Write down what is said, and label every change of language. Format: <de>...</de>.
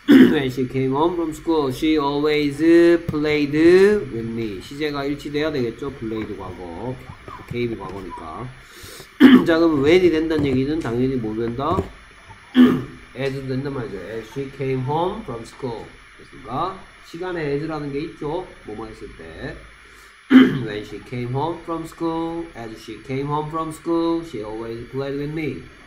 <en>When she came home from school, she always played with me.</en> <ko>시제가 일치되어야 되겠죠? played 과거. came 과거니까. 자, 그럼 when이 된다는 얘기는 당연히 뭐 된다?</ko> <en>as</en> <ko>된단 말이죠.</ko> <en>As she came home from school.</en> <ko>됐습니까? 시간에 as라는 게 있죠? 뭐만 했을 때.</ko> <en>When she came home from school, as she came home from school, she always played with me.</en>